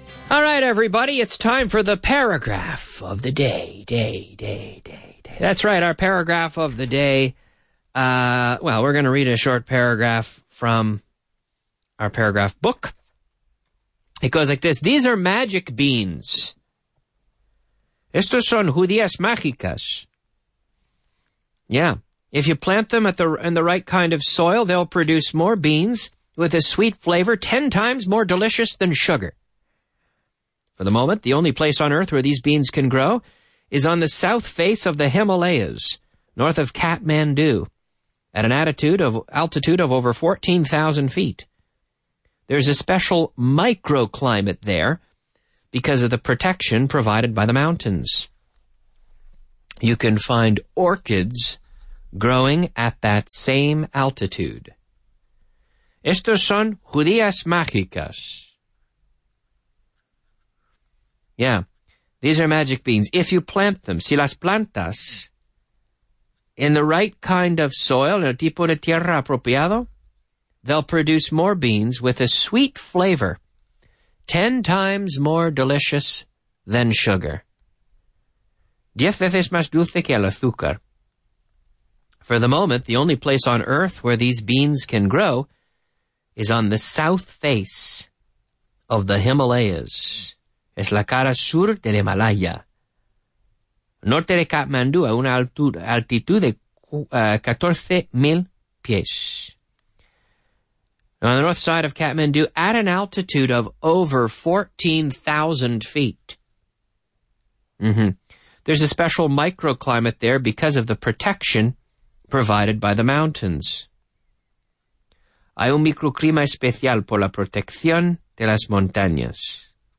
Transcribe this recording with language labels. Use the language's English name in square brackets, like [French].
[English] All right, everybody, it's time for the paragraph of the day, day. That's right, our paragraph of the day. Well, we're going to read a short paragraph from our paragraph book. It goes like this. These are magic beans. [Spanish] Estos son judías mágicas. [English] Yeah, if you plant them at in the right kind of soil, they'll produce more beans with a sweet flavor 10 times more delicious than sugar. For the moment, the only place on earth where these beans can grow is on the south face of the Himalayas, north of Kathmandu, at an altitude of over 14,000 feet. There's a special microclimate there because of the protection provided by the mountains. You can find orchids growing at that same altitude. [Spanish] Estos son judías mágicas. [English] Yeah, these are magic beans. If you plant them, [Spanish] si las plantas, [English] in the right kind of soil, [Spanish] el tipo de tierra apropiado, [English] they'll produce more beans with a sweet flavor, 10 times more delicious than sugar. [Spanish] 10 veces más dulce que el azúcar. [English] For the moment, the only place on earth where these beans can grow is on the south face of the Himalayas. [Spanish] Es la cara sur del Himalaya. Norte de Kathmandu, a una altitud de 14,000 pies. [English] On the north side of Kathmandu, at an altitude of over 14,000 feet. Mm-hmm. There's a special microclimate there because of the protection provided by the mountains. [Spanish] Hay un microclima especial por la protección de las montañas.